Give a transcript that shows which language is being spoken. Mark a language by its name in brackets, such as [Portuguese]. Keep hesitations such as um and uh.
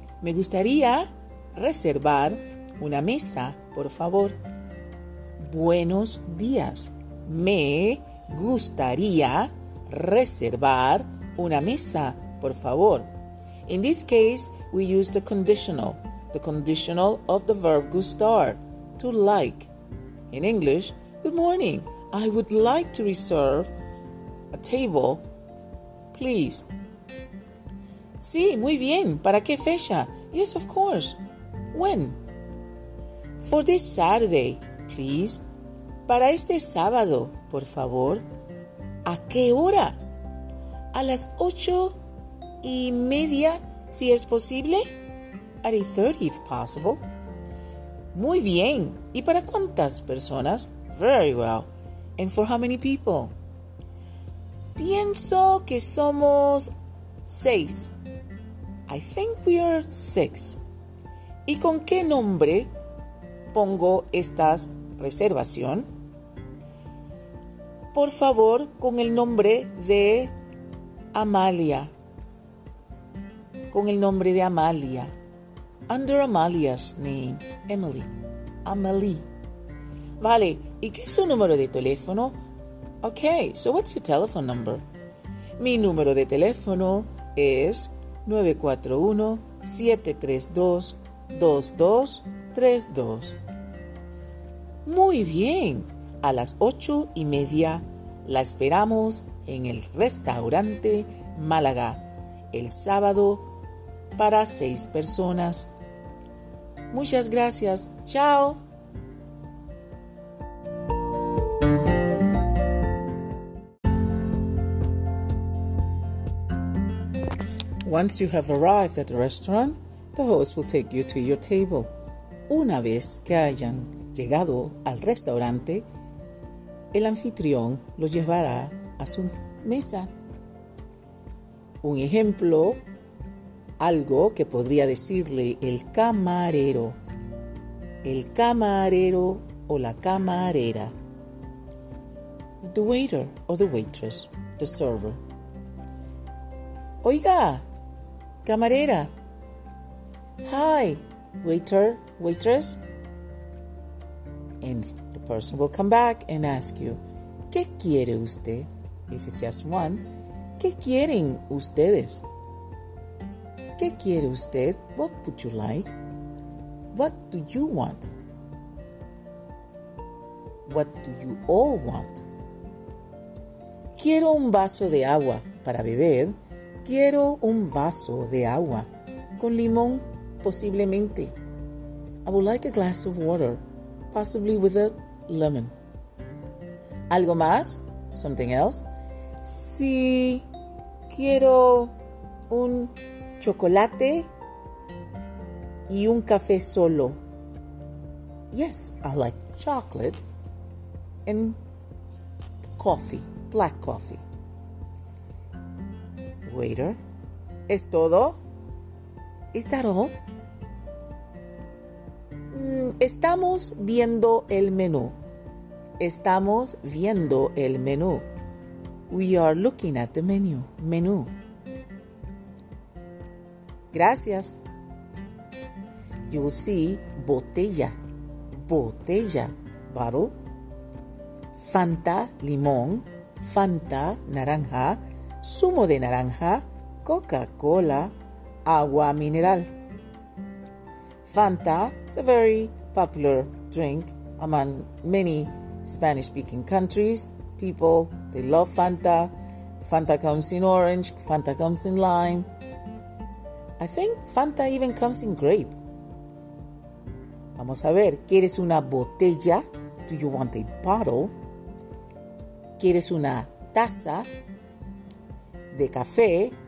[Spanish] Me gustaría reservar una mesa, por favor. Buenos días. Me gustaría reservar una mesa, por favor. [English] In this case, we use the conditional, the conditional of the verb gustar, to like. In English, good morning. I would like to reserve a table, please. [Spanish] Sí, muy bien. ¿Para qué fecha? [English] Yes, of course. When? For this Saturday, please. [Spanish] Para este sábado, por favor. ¿A qué hora? A las ocho y media, si es posible. [English] At 8.30, if possible. [Spanish] Muy bien. ¿Y para cuántas personas? [English] Very well. And for how many people? [Spanish] Pienso que somos seis. [English] I think we are six. [Spanish] ¿Y con qué nombre pongo esta reservación? Por favor, con el nombre de Amalia. Con el nombre de Amalia. [English] Under Amalia's name, Emily. Amelie. [Spanish] Vale, ¿y qué es tu número de teléfono? [English] Ok, so what's your telephone number? [Spanish] Mi número de teléfono es 941-732-2232. Muy bien, a las ocho y media la esperamos en el restaurante Málaga el sábado para seis personas. Muchas gracias, chao. [English] Once you have arrived at the restaurant, the host will take you to your table. [Spanish] Una vez que hayan llegado al restaurante, el anfitrión los llevará a su mesa. Un ejemplo, algo que podría decirle el camarero, el camarero o la camarera, [English] the waiter or the waitress, the server. [Spanish] Oiga, camarera. [English] Hi, waiter, waitress. And the person will come back and ask you, [Spanish] ¿qué quiere usted? [English] If it's just one, [Spanish] ¿qué quieren ustedes? ¿Qué quiere usted? [English] What would you like? What do you want? What do you all want? [Spanish] Quiero un vaso de agua para beber. Quiero un vaso de agua con limón, posiblemente. [English] I would like a glass of water, possibly with a lemon. [Spanish] ¿Algo más? [English] Something else? [Spanish] Sí, quiero un chocolate y un café solo. [English] Yes, I like chocolate and coffee, black coffee. Waiter, [Spanish] ¿es todo? [English] Is that all? [Spanish] Mm, Estamos viendo el menú. Estamos viendo el menú. [English] We are looking at the menu. [Spanish] Menú. Gracias. [English] You will see botella. Botella. Bottle. [Spanish] Fanta limón, Fanta naranja, zumo de naranja, Coca-Cola, agua mineral. [English] Fanta is a very popular drink among many Spanish speaking countries. People, they love Fanta. Fanta comes in orange, Fanta comes in lime. I think Fanta even comes in grape. [Spanish] Vamos a ver, ¿quieres una botella? [English] Do you want a bottle? [Spanish] ¿Quieres una taza de café?